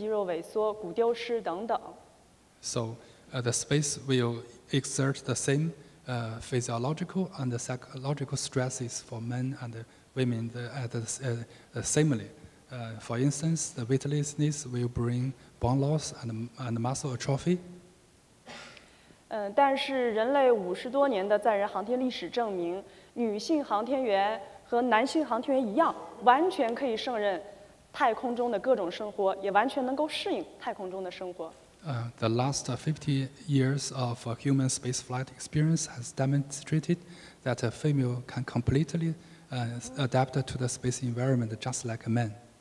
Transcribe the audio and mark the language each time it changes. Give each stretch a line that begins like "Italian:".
Chinese: 所带来的肌肉萎缩、骨丢失等等。
English: So the space will exert the same physiological and psychological stresses for men and women similarly. For instance, the weightlessness will bring bone loss and muscle atrophy.
Chinese: 但是人类五十多年的载人航天历史证明，女性航天员和男性航天员一样，完全可以胜任太空中的各种生活，也完全能够适应太空中的生活。
English: The last 50 years of human spaceflight experience has demonstrated that a female can completely adapt to the space environment just like a man.